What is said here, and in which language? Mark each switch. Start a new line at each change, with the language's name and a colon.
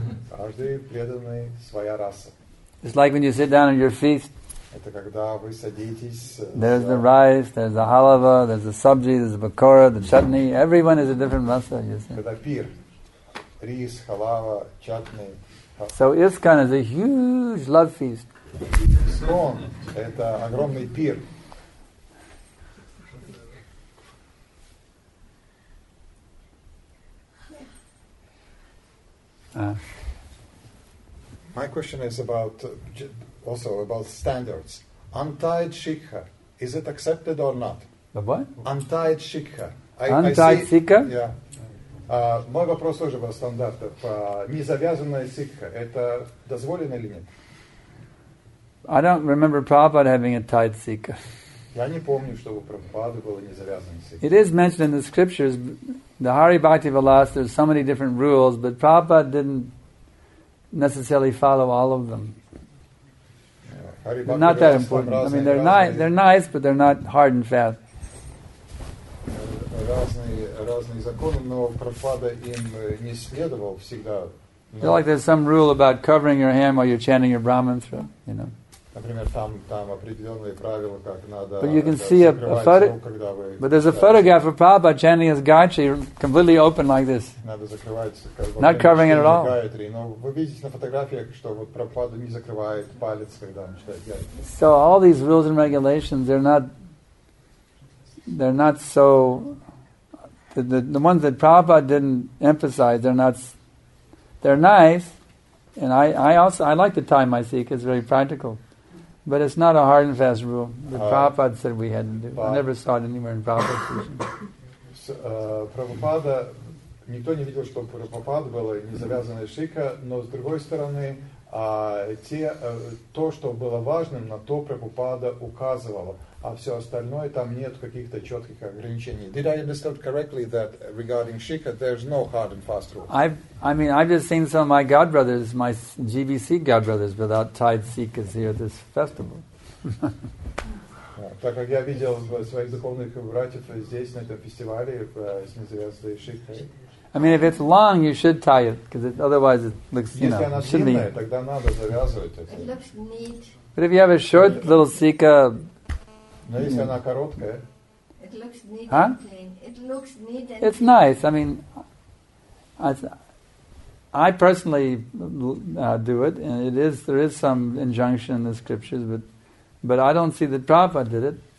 Russian: Каждый преданный своя раса.
English: It's like when you sit down at your feast.
Russian: Это когда вы садитесь.
English: There's the rice, there's the halava, there's the sabji, there's the pakora, the chutney. Everyone is a different rasa, you see.
Russian: Когда пир. Рис, халава, чатни.
English: So ISKCON is a huge love feast.
Russian: ISKCON это огромный пир.
English: My question is about standards. Untied shikha, is it accepted or not? The what? Untied shikha. Untied shikha? Yeah.
Russian: Мой вопрос тоже был стандартов. Незавязанная ситха, это дозволено или нет?
English: I don't remember Prabhupada having a tied sitka.
Russian: Я не помню, чтобы у Прабхупады было незавязанная ситха.
English: It is mentioned in the scriptures, the Hari Bhakti Vilas, there's so many different rules, but Prabhupada didn't necessarily follow all of them. Not that important. I mean, they're nice, but they're not hard and fast.
Russian: Разные законы, но Прабхупада им не следовал всегда.
English: It's like there's some rule about covering your hand while you're chanting your Brahma mantra, you know.
Russian: Например, там определенные правила, как надо.
English: But you can see But there's a photograph of Prabhupada chanting his Gachi completely open like this.
Russian: Надо закрывать.
English: Not covering it at all.
Russian: Но вы видите на фотографиях, что вот Прабхупада не закрывает палец, когда он читает.
English: So all these rules and regulations, they're not so. The ones that Prabhupada didn't emphasize, they're nice, and I also like to tie my sikh, it's very practical, but it's not a hard and fast rule that Prabhupada said we had to do. I never saw it anywhere in Prabhupada's teaching.
Russian: Prabhupada, никто не видел, что Прабхупада было незавязанная шика, но с другой стороны, то, что было важным, на то Прабхупада указывало. А все остальное там нет каких-то четких ограничений.
English: Did I understand correctly that regarding shikha, there's no hard and fast rule? I've just seen some of my godbrothers, my GBC godbrothers, without tied sikhas here at this festival.
Russian: Так как я видел своих духовных братьев здесь на этом фестивале с незавязанной шикхой.
English: I mean, if it's long, you should tie it, because otherwise it looks, you know, it should be. It looks neat. But if you have a short little sikha,
Russian: Но если она короткая.
English: It looks neat and clean. It looks neat and It's nice. I mean, I personally do it, and it is there is some injunction in the scriptures, but I don't see that Prabhupada did it.